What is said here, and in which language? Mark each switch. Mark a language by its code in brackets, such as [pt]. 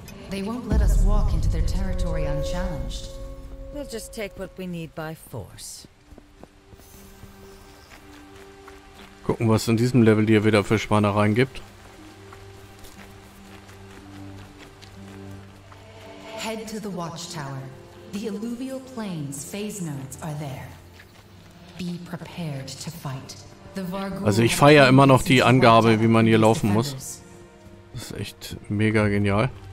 [en] They won't let us walk into their territory unchallenged. We'll just take what we need by force. [de] Gucken, was in diesem Level hier wieder für Spannereien gibt. [en] Head to the watchtower. The alluvial plains phase nodes are there. Be prepared to fight. [de] Also ich feiere immer noch die Angabe, wie man hier laufen muss. Das ist echt mega genial.